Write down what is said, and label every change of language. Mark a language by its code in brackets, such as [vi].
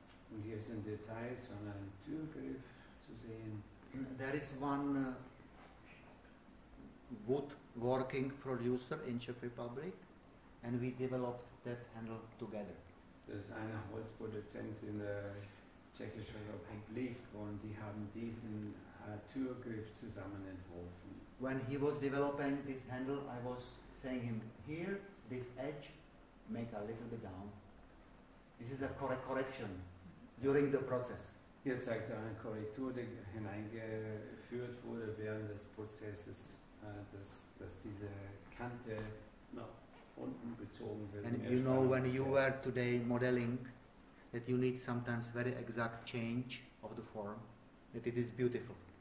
[de] Und hier sind Details von einem Türgriff zu sehen. [en] There is one woodworking producer in Czech Republic. And we developed that handle together. There's a Holzproduzent in the Czech Republic, and they have this [de] Türgriff zusammen entworfen. [en] When he was developing this handle, I was saying him, here, this edge, make a little bit down. This is a correction during the process. [de] Hier zeigt er eine Korrektur, die hineingeführt wurde während des Prozesses, dass diese Kante [en] And you know when you were today modeling that you need sometimes very exact change of the form, that it is beautiful.